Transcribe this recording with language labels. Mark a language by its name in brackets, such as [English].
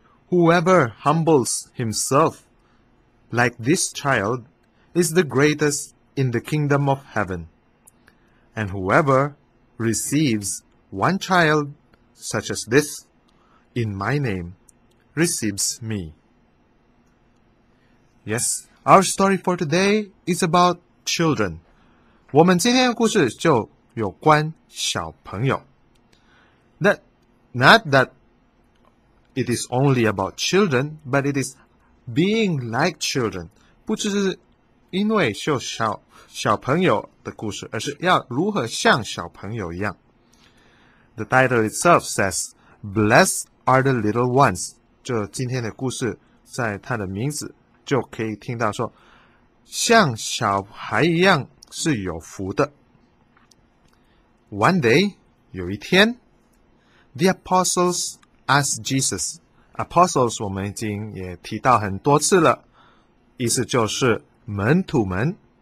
[English] Whoever humbles himself like this child is the greatest in the kingdom of heaven. And whoever receives one child such as this in my name,receives me. Yes, our story for today is about children. [Chinese] 我们今天的故事就有关小朋友。 [English] Not that it is only about children, but it is being like children. [Chinese] 不只是因为就小朋友的故事，而是要如何像小朋友一样。 [English] The title itself says, Blessed are the little ones. [Chinese] 就今天的故事在他的名字就可以听到说像小孩一样是有福的。 [English] One day, [Chinese] 有一天 [English] The apostles asked Jesus. [Chinese] Apostles 我们已经也提到很多次了，意思就是门徒们。